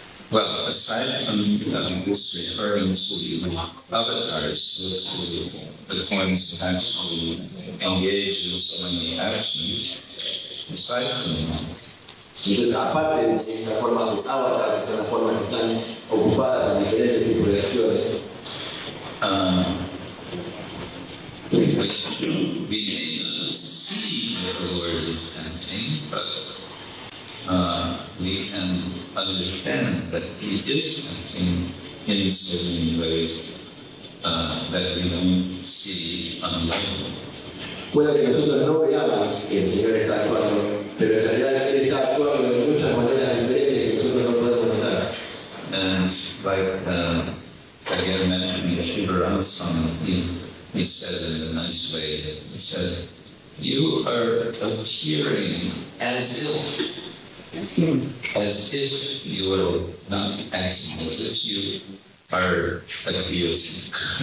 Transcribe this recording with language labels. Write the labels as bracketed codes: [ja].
[en] Well, aside from this referring to the avatars, the ones that actually engage in so many actions, aside from that, [es] entonces, aparte de la forma de avatar, de la forma que están ocupadas en diferentes tipos de acciones, [en] we may not see that the Lord is acting, but we can understand that He is acting in so many ways that we don't see unlawful. [es] Puede que nosotros no veamos que el Señor está actuando, pero en realidad Él está actuando de muchas maneras diferentes que nosotros no podemos notar. [en] And like again mentioning Shivaram Swami, he says in a nice way, he says, you are appearing as if you are not acting, as if you are a deity.